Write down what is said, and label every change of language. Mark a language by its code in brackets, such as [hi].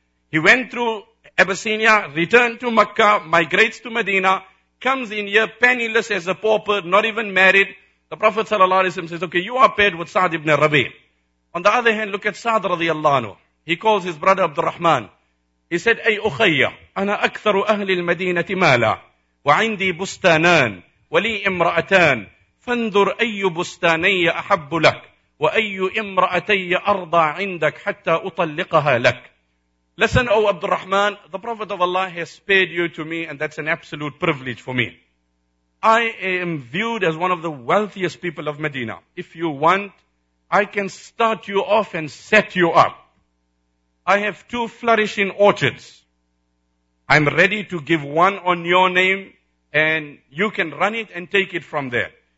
[en] He went through Abyssinia, returned to Makkah, migrates to Medina, comes in here penniless as a pauper, not even married. The Prophet sallallahu alayhi wa sallam says, okay, you are paired with Sa'd ibn Rabi'. On the other hand, look at Sa'd radiallahu anhu. He calls his brother Abdul Rahman. [ar] He said, أي أخي أنا أكثر أهل المدينة مالا وعندي بستانان ولي امرأتان فانظر أي بستاني أحب لك وأي امرأتي أرضى عندك حتى أطلقها لك. [en] Listen, O Abdul Rahman, the Prophet of Allah has paid you to me, and that's an absolute privilege for me. I am viewed as one of the wealthiest people of Medina. If you want, I can start you off and set you up. I have two flourishing orchards. I'm ready to give one on your name, and you can run it and take it from there.